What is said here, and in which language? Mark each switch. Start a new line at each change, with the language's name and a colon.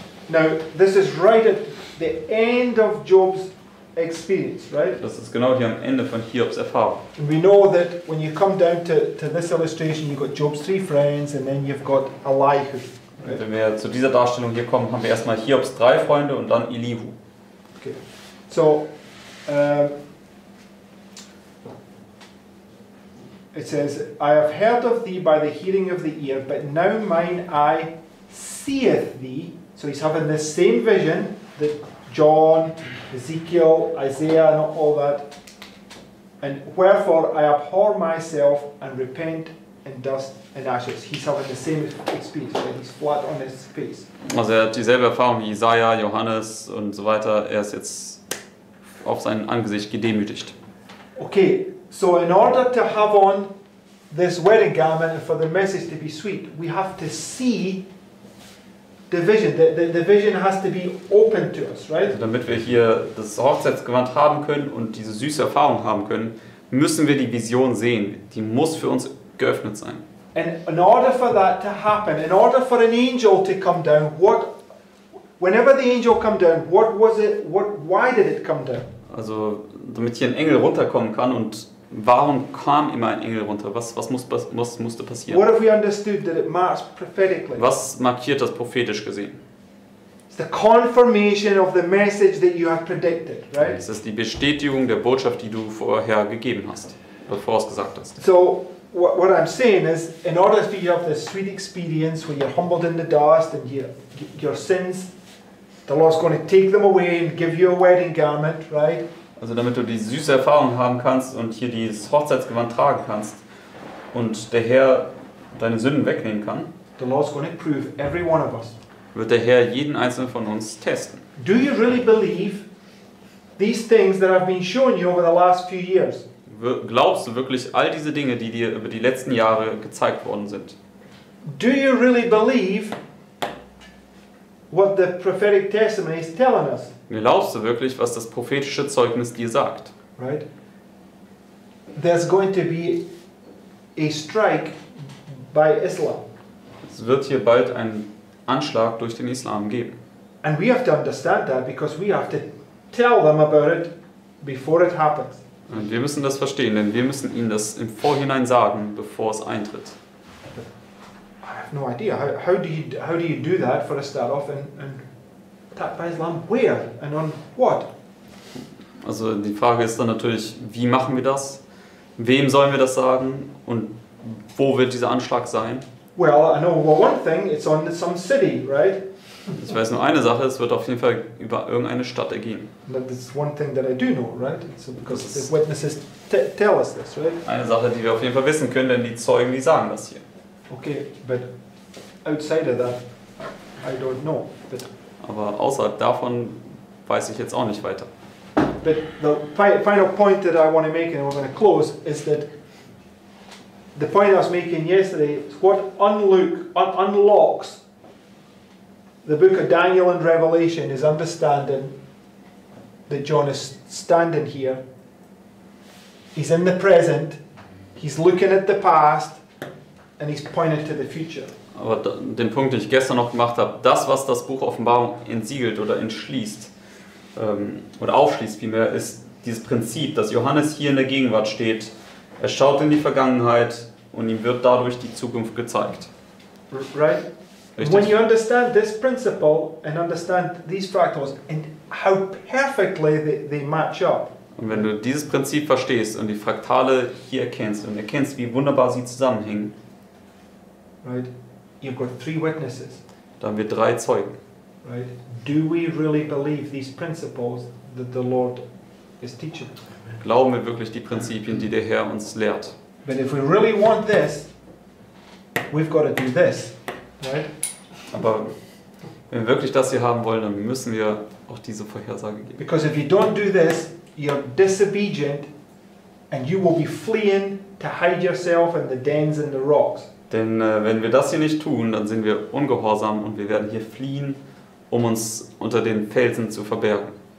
English: Now, this is right at the end of Job's experience, right?
German: Das ist genau hier am Ende von Hiobs Erfahrung.
English: And we know that when you come down to this illustration, you've got Job's 3 friends and then you've got Elihu. Right?
German: Wenn wir zu dieser Darstellung hier kommen, haben wir erstmal Hiobs 3 Freunde und dann Elihu. Okay.
English: So, it says, I have heard of thee by the hearing of the ear, but now mine eye seeth thee. So he's having the same vision that John, Ezekiel, Isaiah, and all that. And wherefore I abhor myself and repent in dust and ashes. He's having the same experience, right? He's flat on his face.
German: Also er hat dieselbe Erfahrung wie Isaiah, Johannes und so weiter. Er ist jetzt auf sein Angesicht gedemütigt.
English: Okay, so in order to have on this wedding garment and for the message to be sweet, we have to see the vision, the vision has to be open to us, right?
German: Also damit wir hier das Hochzeitsgewand haben können und diese süße Erfahrung haben können, müssen wir die Vision sehen. Die muss für uns geöffnet sein.
English: And in order for that to happen, in order for an angel to come down, what, whenever the angel come down, what was it, what, why did it come down?
German: Also damit hier ein Engel runterkommen kann und warum kam immer ein Engel runter? Was musste passieren?
English: What have we understood that it marks prophetically?
German: Was markiert das prophetisch gesehen?
English: It's the confirmation of the message that you have predicted, right?
German: Es ist die Bestätigung der Botschaft, die du vorher gegeben hast, bevor es gesagt hast.
English: So, what I'm saying is, in order for you to have this sweet experience where you're humbled in the dust and your sins The Lord's going to take them away and give you a wedding garment, right?
German: Also damit du die süße Erfahrung haben kannst und hier dieses Hochzeitsgewand tragen kannst und der Herr deine Sünden wegnehmen kann.
English: The Lord's going to prove every one of us.
German: Wird der Herr jeden einzelnen von uns testen.
English: Do you really believe these things that I've been showing you over the last few years?
German: Glaubst du wirklich all diese Dinge, die dir über die letzten Jahre gezeigt worden sind?
English: Do you really believe what the prophetic testimony is telling us?
German: Glaubst du wirklich, was das prophetische Zeugnis dir sagt?
English: Right. There's going to be a strike by Islam.
German: Es wird hier bald einen Anschlag durch den Islam geben.
English: And we have to understand that because we have to tell them about it before it happens.
German: Und wir müssen das verstehen, denn wir müssen ihnen das im Vorhinein sagen, bevor es eintritt.
English: I have no idea. How do you do that for a start off and attack by Islam? Where and on what?
German: Also die Frage ist dann natürlich, wie machen wir das? Wem sollen wir das sagen? Und wo wird dieser Anschlag sein?
English: Well, I know one thing. It's on some city, right?
German: Ich weiß nur eine Sache, es wird auf jeden Fall über irgendeine Stadt ergehen.
English: That's one thing that I do know, right? So because the witnesses tell us this, right?
German: Eine Sache, die wir auf jeden Fall wissen können, denn die Zeugen, die sagen das hier.
English: Okay, but outside of that, I don't know. But
German: aber außerhalb davon weiß ich jetzt auch nicht weiter.
English: But the final point that I want to make, and we're going to close, is that the point I was making yesterday is what unlocks the book of Daniel and Revelation is understanding that John is standing here. He's in the present. He's looking at the past. And he's pointing to the future.
German: Aber den Punkt, den ich gestern noch gemacht habe, das, was das Buch Offenbarung entsiegelt oder entschließt, oder aufschließt vielmehr, ist dieses Prinzip, dass Johannes hier in der Gegenwart steht. Er schaut in die Vergangenheit und ihm wird dadurch die Zukunft gezeigt.
English: Right?
German: Richtig.
English: When you understand this principle and understand these fractals and how perfectly they match up.
German: Und wenn du dieses Prinzip verstehst und die Fraktale hier erkennst und erkennst, wie wunderbar sie zusammenhängen.
English: Right? You've got three witnesses.
German: Dann haben wir drei Zeugen.
English: Right? Do we really believe these principles that the Lord is teaching?
German: Glauben wir wirklich die Prinzipien, die der Herr uns lehrt?
English: But if we really want this, we've got to do this. Right?
German: Aber wenn wir wirklich das hier haben wollen, dann müssen wir auch diese Vorhersage geben.
English: Because if you don't do this, you're disobedient and you will be fleeing to hide yourself in the dens and the rocks.
German: Denn wenn wir das hier nicht tun, dann sind wir ungehorsam und wir werden hier fliehen, um uns unter den Felsen zu verbergen.